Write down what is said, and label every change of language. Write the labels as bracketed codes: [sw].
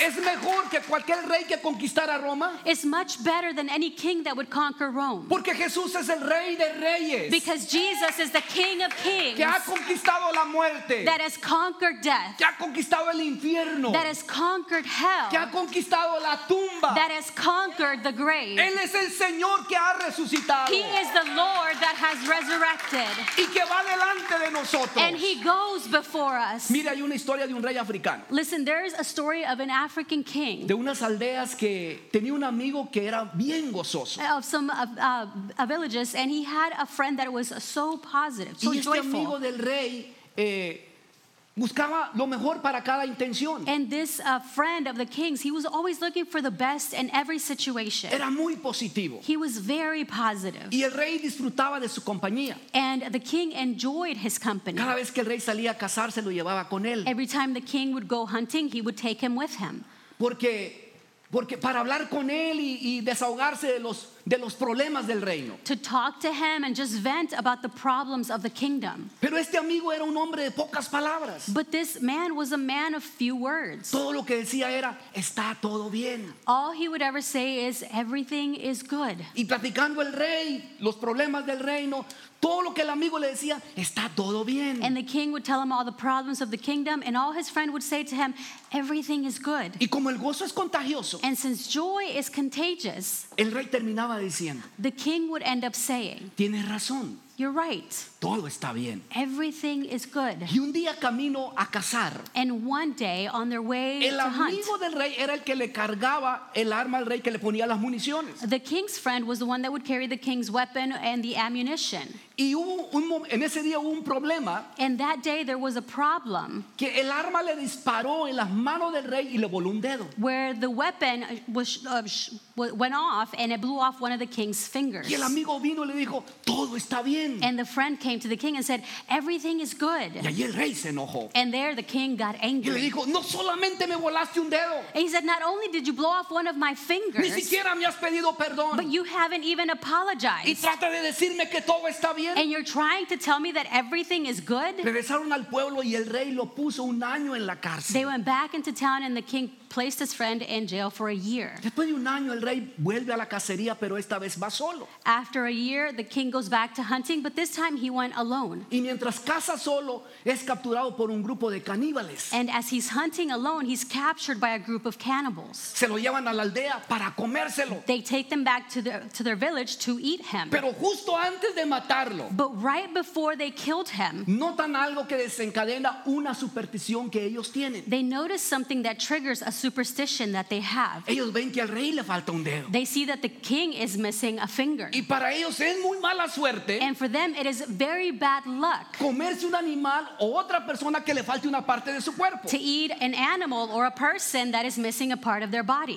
[es] Es mejor que cualquier rey que conquistara Roma. [en] Is much better than any king that would conquer Rome. [es] Porque Jesús es el Rey de Reyes. [en] Because Jesus is the King of Kings. [es] Que ha conquistado la muerte. [en] That has conquered death. [es] Que ha conquistado el infierno. [en] That has conquered hell. [es] Que ha conquistado la tumba. [en] That has conquered the grave. [es] Él es el Señor que ha resucitado. [en] He is the Lord that has resurrected. [es] Y que va delante de nosotros. [en] And he goes before us. [es] Mira, hay una historia de un rey africano. [en] Listen, there is a story of an African king. [es] De unas aldeas que tenía un amigo que era bien gozoso. [en] A villages, and he had a friend that was so positive, so [es] y este [en] joyful. [es] Amigo del rey, buscaba lo mejor para cada intención. [en] And this friend of the king's, he was always looking for the best in every situation. [es] Era muy positivo. [en] He was very positive. [es] Y el rey disfrutaba de su compañía. [en] And the king enjoyed his company. [es] Cada vez que el rey salía a cazar, se lo llevaba con él. [en] Every time the king would go hunting, he would take him with him. [es] porque para hablar con él y desahogarse de los problemas del reino. [en] To talk to him and just vent about the problems of the kingdom. [es] Pero este amigo era un hombre de pocas palabras. [en] But this man was a man of few words. [es] Todo lo que decía era, está todo bien. [en] All he would ever say is, everything is good. [es] Y platicando el rey, los problemas del reino, todo lo que el amigo le decía, está todo bien. [en] And the king would tell him all the problems of the kingdom, and all his friend would say to him, everything is good. [es] Y como el gozo es contagioso, [en] and since joy is contagious, [es] el rey terminaba diciendo, [en] the king would end up saying, [es] tienes razón. [en] You're right. [es] Todo está bien. [en] Everything is good. [es] Y un día camino a cazar. [en] And one day on their way [es] el [en] to hunt. [es] El amigo del rey era el que le cargaba el arma al rey, que le ponía las municiones. [en] The king's friend was the one that would carry the king's weapon and the ammunition. [es] Y en ese día hubo un problema. [en] And that day there was a problem. [es] Que el arma le disparó en las manos del rey y le voló un dedo. [en] Where the weapon went off and it blew off one of the king's fingers. [es] Y el amigo vino y le dijo, todo está bien. [en] And the friend came to the king and said, everything is good. [es] Y el rey se enojó. [en] And there the king got angry. [es] Y le dijo, no solamente me volaste un dedo. [en] And he said, not only did you blow off one of my fingers, [es] ni siquiera me has pedido perdón. [en] But you haven't even apologized. [es] Y trata de decirme que todo está bien. [en] And you're trying to tell me that everything is good. [es] Regresaron al pueblo y el rey lo puso un año en la cárcel. [en] They went back into town and the king placed his friend in jail for a year. [es] Después de un año, el rey vuelve a la cacería, pero esta vez va solo. [en] After a year, the king goes back to hunting, but this time he went alone. [es] Y mientras caza solo, es capturado por un grupo de caníbales. [en] And as he's hunting alone, he's captured by a group of cannibals. [es] Se lo llevan a la aldea para comérselo. [en] They take them back to their village to eat him. [es] Pero justo antes de matarlo, [en] but right before they killed him, [es] notan algo que desencadena una superstición que ellos tienen. [en] They notice something that triggers a superstition that they have. [es] Ellos ven que al rey le falta un dedo. [en] They see that the king is missing a finger. [es] Y para ellos es muy mala suerte. [en] And for them it is very bad luck. [es] Comerse un animal o otra persona que le falte una parte de su cuerpo. [en] To eat an animal or a person that is missing a part of their body.